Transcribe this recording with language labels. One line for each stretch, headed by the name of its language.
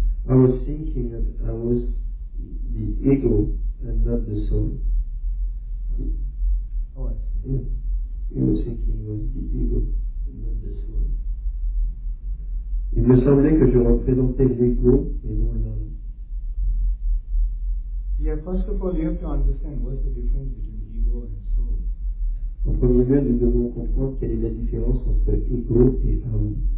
English: I was thinking that I was the ego and not the soul. Oh, I see. Yeah. He was thinking was the ego and not the soul.
French: Il me semblait que je représentais l'ego et non l'homme.
English: Yeah, first of all, you have to understand what's the difference between ego and soul.
French: En premier lieu, nous devons comprendre quelle est la différence entre ego et âme.